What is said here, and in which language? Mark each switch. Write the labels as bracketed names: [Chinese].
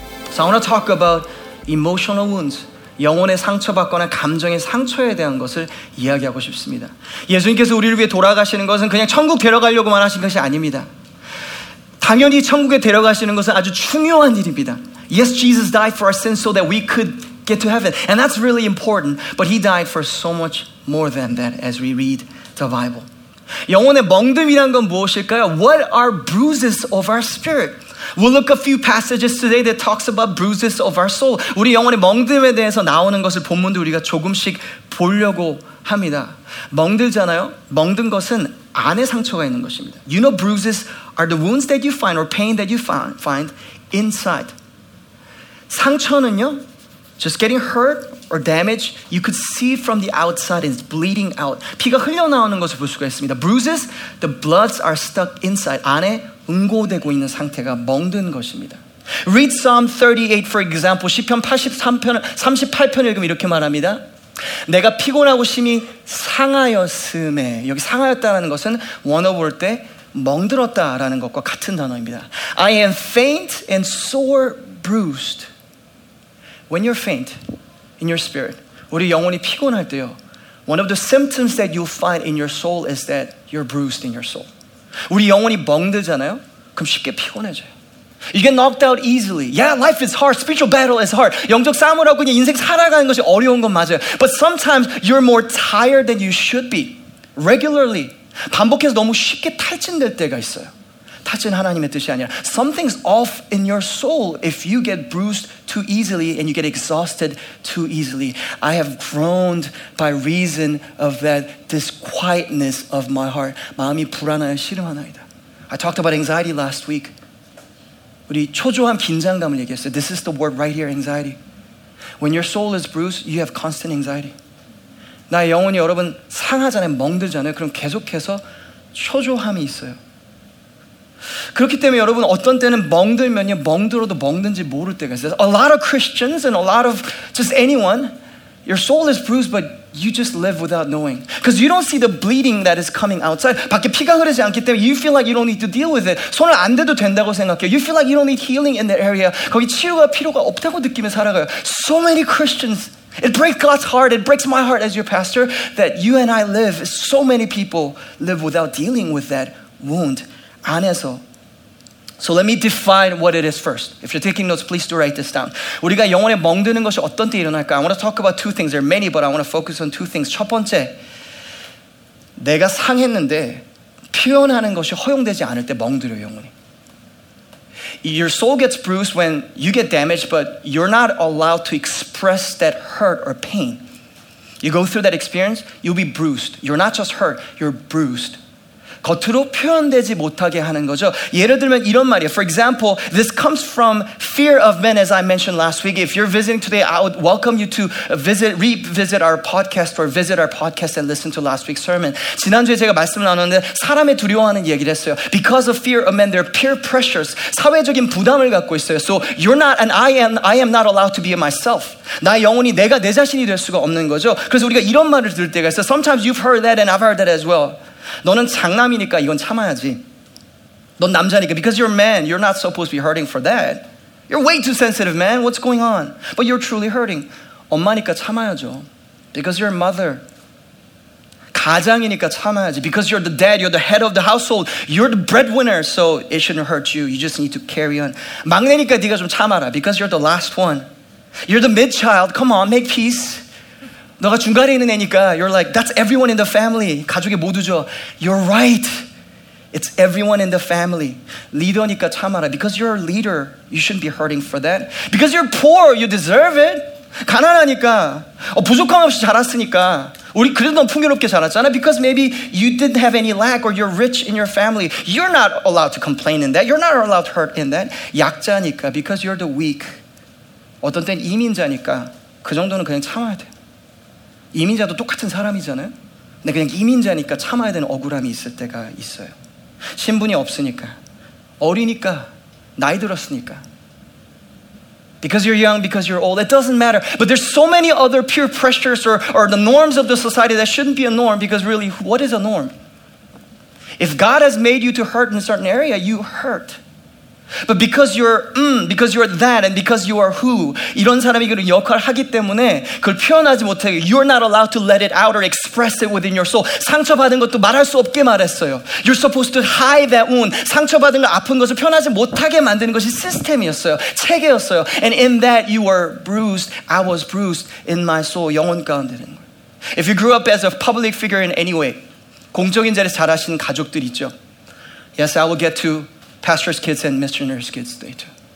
[English] So I want to talk about emotional wounds. [Korean] 영혼의 상처받거나 감정의 상처에 대한 것을 이야기하고 싶습니다. 예수님께서 우리를 위해 돌아가시는 것은 그냥 천국 데려가려고만 하신 것이 아닙니다. 당연히 천국에 데려가시는 것은 아주 중요한 일입니다. [English] Yes, Jesus died for our sins so that we could get to heaven. And that's really important. But he died for so much more than that as we read the Bible. [Korean] 영혼의 멍듦이란 건 무엇일까요? [English] What are bruises of our spirit? We'll look a few passages today that talks about bruises of our soul. [Korean] 우리 영혼의 멍듦에 대해서 나오는 것을 본문도 우리가 조금씩 보려고 합니다. 멍들잖아요. 멍든 것은 안에 상처가 있는 것입니다. [English] You know, bruises are the wounds that you find or pain that you find inside. [Korean] 상처는요, [English] just getting hurt or damage, you could see from the outside and it's bleeding out. [Korean] 피가 흘러나오는 것을 볼 수가 있습니다. [English] Bruises, the bloods are stuck inside. [Korean] 안에 응고되고 있는 상태가 멍든 것입니다. [English] Read Psalm 38, for example. [Korean] 시편 38편을 읽으면 이렇게 말합니다. 내가 피곤하고 심히 상하였으매. 여기 상하였다라는 것은 원어 볼 때 멍들었다라는 것과 같은 단어입니다. [English] I am faint and sore bruised. When you're faint in your spirit, [Korean] 우리 영혼이 피곤할 때요, [English] one of the symptoms that you'll find in your soul is that you're bruised in your soul. [Korean] 우리 영혼이 멍들잖아요? 그럼 쉽게 피곤해져요. [English] You get knocked out easily. Yeah, life is hard. Spiritual battle is hard. [Korean] 영적 싸움으로 그냥 인생 살아가는 것이 어려운 건 맞아요. [English] But sometimes you're more tired than you should be. Regularly. [Korean] 반복해서 너무 쉽게 탈진될 때가 있어요. 탈진 하나님의 뜻이 아니라. [English] Something's off in your soul if you get bruised too easily and you get exhausted too easily. I have groaned by reason of that disquietness of my heart. [Korean] 마음이 불안하여 신음하나이다. [English] I talked about anxiety last week. [Korean] 우리 초조함, 긴장감을 얘기했어요. [English] This is the word right here, anxiety. When your soul is bruised, you have constant anxiety. [Korean] 나의 영혼이 여러분 상하잖아요, 멍들잖아요. 그럼 계속해서 초조함이 있어요. 그렇기 때문에 여러분 어떤 때는 멍들면요, 멍들어도 멍든지 모를 때가 있어요. [English] A lot of Christians and a lot of just anyone, your soul is bruised, but you just live without knowing. Because you don't see the bleeding that is coming outside. [Korean] 밖에 피가 흐르지 않기 때문에 [English] you feel like you don't need to deal with it. [Korean] 손을 안 대도 된다고 생각해요. [English] You feel like you don't need healing in that area. [Korean] 거기 치유가 필요가 없다고 느끼며 살아가요. [English] So many Christians, it breaks God's heart, it breaks my heart as your pastor, that you and I live, so many people live without dealing with that wound. [Korean] 안에서. [English] So let me define what it is first. If you're taking notes, please do write this down. [Korean] 우리가 영혼에 멍드는 것이 어떤 때 일어날까? [English] I want to talk about two things. There are many, but I want to focus on two things. [Korean] 첫 번째, 내가 상했는데 표현하는 것이 허용되지 않을 때 멍들어요, 영혼이. [English] Your soul gets bruised when you get damaged, but you're not allowed to express that hurt or pain. You go through that experience, you'll be bruised. You're not just hurt, you're bruised. [Korean] 겉으로 표현되지 못하게 하는 거죠. 예를 들면 이런 말이에요. [English] For example, this comes from fear of men, as I mentioned last week. If you're visiting today, I would welcome you to revisit our podcast and listen to last week's sermon. [Korean] 지난주에 제가 말씀을 나눴는데 사람의 두려워하는 얘기를 했어요. [English] Because of fear of men, there are peer pressures. [Korean] 사회적인 부담을 갖고 있어요. [English] So you're not, and I am not allowed to be myself. [Korean] 나 영혼이 내가 내 자신이 될 수가 없는 거죠. 그래서 우리가 이런 말을 들을 때가 있어요. [English] Sometimes you've heard that and I've heard that as well. [Korean] 너는 장남이니까 이건 참아야지. 넌 남자니까. [English] Because you're a man, you're not supposed to be hurting for that. You're way too sensitive, man. What's going on? But you're truly hurting. [Korean] 엄마니까 참아야죠. [English] Because you're a mother. [Korean] 가장이니까 참아야지. [English] Because you're the dad, you're the head of the household. You're the breadwinner, so it shouldn't hurt you. You just need to carry on. [Korean] 막내니까 네가 좀 참아라. [English] Because you're the last one. You're the mid-child. Come on, make peace. [Korean] 너가 중간에 있는 애니까 [English] you're like, that's everyone in the family. [Korean] 가족의 모두죠. [English] You're right. It's everyone in the family. [Korean] 리더니까 참아라. [English] Because you're a leader, you shouldn't be hurting for that. Because you're poor, you deserve it. [Korean] 가난하니까. 부족함 없이 자랐으니까. 우리 그래도 넌 풍요롭게 자랐잖아. [English] Because maybe you didn't have any lack or you're rich in your family. You're not allowed to complain in that. You're not allowed to hurt in that. [Korean] 약자니까. [English] Because you're the weak. [Korean] 어떤 땐 이민자니까. 그 정도는 그냥 참아야 돼. 이민자도 똑같은 사람이잖아요. 근데 그냥 이민자니까 참아야 되는 억울함이 있을 때가 있어요. 신분이 없으니까, 어리니까, 나이 들었으니까. [English] Because you're young, because you're old, it doesn't matter. But there's so many other peer pressures or the norms of the society that shouldn't be a norm, because really, what is a norm? If God has made you to hurt in a certain area, you hurt. But because you're because you're that and because you are who [Korean] 이런 사람이 그런 역할을 하기 때문에 그걸 표현하지 못해요. [English] You're not allowed to let it out or express it within your soul. [Korean] 상처받은 것도 말할 수 없게 말했어요. [English] You're supposed to hide that wound. [Korean] 상처받은 것, 아픈 것을 표현하지 못하게 만드는 것이 시스템이었어요. 체계였어요. [English] And in that you were bruised, I was bruised in my soul. [Korean] 영혼 가운데는. [English] If you grew up as a public figure in any way, [Korean] 공적인 자리에서 자라신 가족들 있죠. [English] Yes, I will get to pastor's kids and missionary's kids, they too.